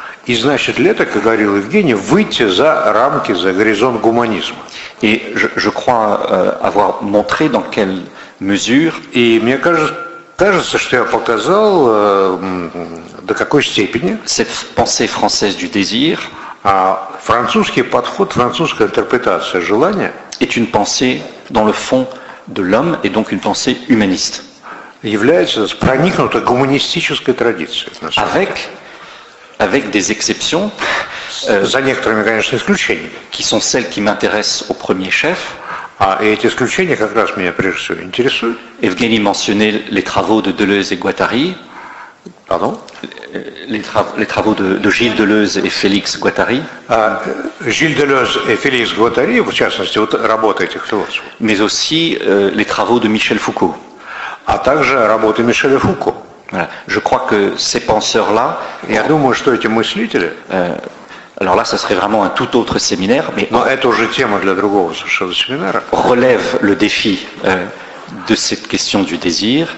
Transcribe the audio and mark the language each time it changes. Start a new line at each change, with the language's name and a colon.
Russian: И значит ли это, как говорил Евгений, выйти за рамки, за горизонт гуманизма? И
French: je crois avoir montré dans quelle mesure.
Russian: И мне кажется, что я показал до какой степени.
French: Cette pensée française du désir.
Russian: А французский подход, французская интерпретация желания.
French: Est une pensée dans le fond de l'homme et donc une pensée humaniste.
Russian: Является проникнута гуманистической традицией.
French: Avec avec des exceptions,
Russian: за некоторыми, конечно, исключениями,
French: qui sont celles qui m'intéressent au premier chef.
Russian: А эти исключения как раз меня прежде всего интересуют.
French: Евгений mentionnait les travaux de Deleuze et Guattari. Pardon? Les travaux de Gilles Deleuze et Félix Guattari.
Russian: Gilles Deleuze et Félix Guattari, в частности, вот работа этих философов.
French: Mais aussi les travaux de Michel Foucault.
Russian: А также работы Мишеля Фуко.
French: Voilà. Je crois que ces penseurs-là.
Russian: Я думаю, что эти мыслители.
French: Alors là, ça serait vraiment un tout autre séminaire, mais.
Russian: Но это уже тема для другого совершенно семинара.
French: Relève le défi de cette question du désir.